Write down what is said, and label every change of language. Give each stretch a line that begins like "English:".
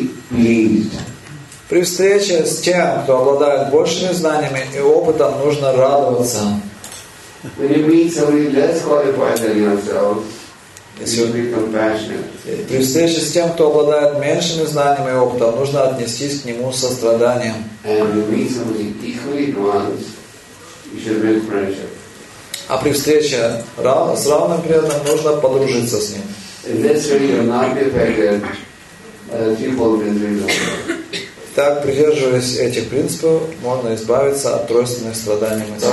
Russian: При встрече с тем, кто обладает большими знаниями и опытом, нужно радоваться.
English: When you meet somebody less qualified than yourself, you should be compassionate.
Russian: При встрече с тем, кто обладает меньшими знаниями и опытом, нужно отнестись к нему со страданием.
English: And you meet somebody equally advanced, you should build friendship.
Russian: А при встрече с равным преданным нужно подружиться с ним.
English: In this way, you will not be affected by the people who are doing wrong.
Russian: Так, придерживаясь этих принципов, можно избавиться от тройственных страданий